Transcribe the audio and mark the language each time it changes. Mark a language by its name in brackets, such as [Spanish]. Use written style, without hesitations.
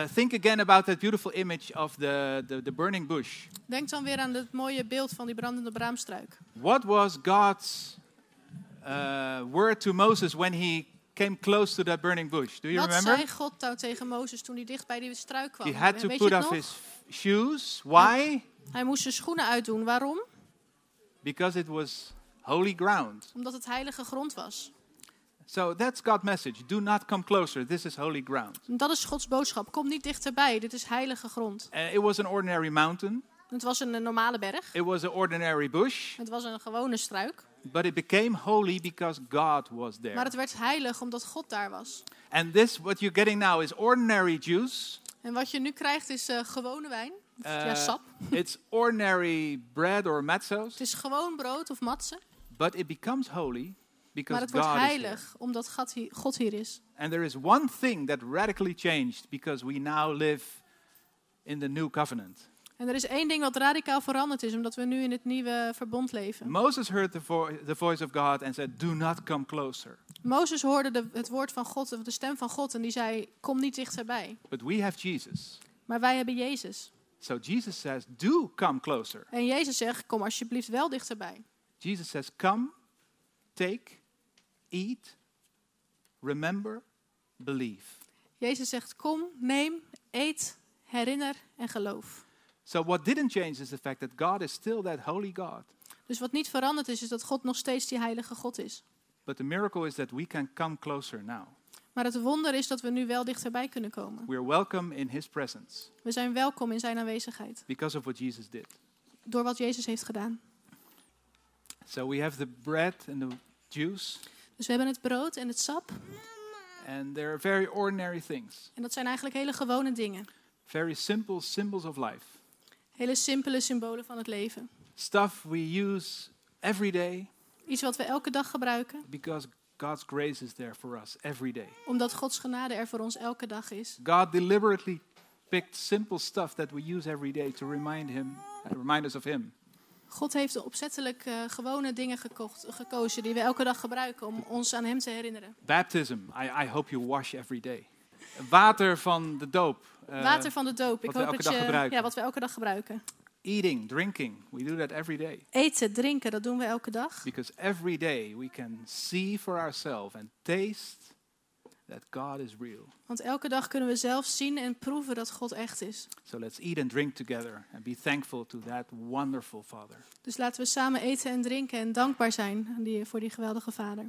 [English] Think again about that beautiful image of the burning bush. [Dutch] Denk dan weer aan het mooie beeld van die brandende braamstruik. [English] What was God's word to Moses when he came close to that burning bush? Do you remember? [Dutch] Wat zei God nou tegen Mozes toen hij dicht bij die struik kwam? [English] He had to put off his shoes. Why? [Dutch] Hij moest zijn schoenen uitdoen. Waarom? [English] Because it was holy ground. [Dutch] Omdat het heilige grond was. [English] So that's God's message. Do not come closer. This is holy ground. [Dutch] Dat is Gods boodschap. Kom niet dichterbij. Dit is heilige grond. [English] It was an ordinary mountain. [Dutch] Het was een normale berg. [English] It was an ordinary bush. [Dutch] Het was een gewone struik. [English] But it became holy because God was there. [Dutch] Maar het werd heilig omdat God daar was. [English] And this, what you're getting now, is ordinary juice. [Dutch] En wat je nu krijgt is gewone wijn. Ja, sap. [English] It's ordinary bread or matzos. [Dutch] Het is gewoon brood of matzen. [English] But it becomes holy because God is there. [Dutch] Maar het wordt heilig omdat God hier is. [English] And there is one thing that radically changed because we now live in the new covenant. [Dutch] En er is één ding wat radicaal veranderd is, omdat we nu in het nieuwe verbond leven. [English] Moses heard the voice of God and said, "Do not come closer." [Dutch] Mozes hoorde het woord van God of de stem van God en die zei, "Kom niet dichterbij." [English] But we have Jesus. [Dutch] Maar wij hebben Jezus. [English] So Jesus says, "Do come closer." [Dutch] En Jezus zegt, "Kom alsjeblieft wel dichterbij." [English] Jesus says, "Come, take, eat, remember, believe." [Dutch] Jezus zegt, "Kom, neem, eet, herinner en geloof." [English] So what didn't change is the fact that God is still that holy God. [Dutch] Dus wat niet veranderd is dat God nog steeds die heilige God is. [English] But the miracle is that we can come closer now. [Dutch] Maar het wonder is dat we nu wel dichterbij kunnen komen. [English] We are welcome in his presence. [Dutch] We zijn welkom in zijn aanwezigheid. [English] Because of what Jesus did. [Dutch] Door wat Jezus heeft gedaan. [English] So we have the bread and the juice. [Dutch] Dus we hebben het brood en het sap. [English] And they are very ordinary things. [Dutch] En dat zijn eigenlijk hele gewone dingen. [English] Very simple symbols of life. [Dutch] Hele simpele symbolen van het leven. [English] Stuff we use every day. [Dutch] Iets wat we elke dag gebruiken. [English] Because God's grace is there for us every day. [Dutch] Omdat Gods genade er voor ons elke dag is. [English] God deliberately picked simple stuff that we use every day to remind us of Him. [Dutch] God heeft opzettelijk gewone dingen gekozen die we elke dag gebruiken om ons aan Hem te herinneren. [English] Baptism. I hope you wash every day. [Dutch] Water van de doop. Water van de doop. Ik hoop dat je, ja, wat we elke dag gebruiken. [English] Eating, drinking, we do that every day. [Dutch] Eten, drinken, dat doen we elke dag. [English] Because every day we can see for ourselves and taste that God is real. [Dutch] Want elke dag kunnen we zelf zien en proeven dat God echt is. [English] So let's eat and drink together and be thankful to that wonderful Father. [Dutch] Dus laten we samen eten en drinken en dankbaar zijn voor die geweldige Vader.